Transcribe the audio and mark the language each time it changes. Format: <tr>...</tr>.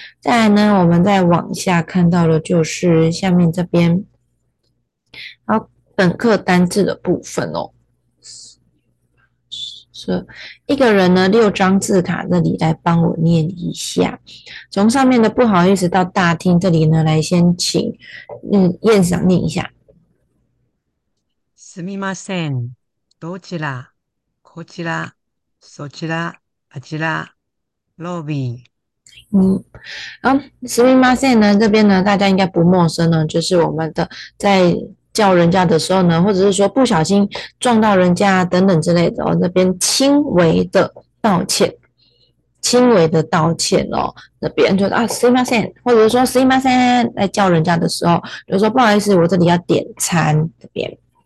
<zh>再来呢，我们再往下看到的，就是下面这边，好，本课单字的部分哦。一个人呢，六张字卡，这里来帮我念一下。从上面的不好意思到大厅这里呢，来先请燕赏念一下。</zh> <ja>すみません。どちら、こちら、そちら、あちら、ロビー。</ja> <zh>すみません呢，这边呢，大家应该不陌生呢，就是我们的在叫人家的时候呢，或者是说不小心撞到人家等等之类的哦，这边轻微的道歉，轻微的道歉哦，那边就啊，すみません，或者是说すみません，在叫人家的时候，就说不好意思，我这里要点餐，这边。</zh>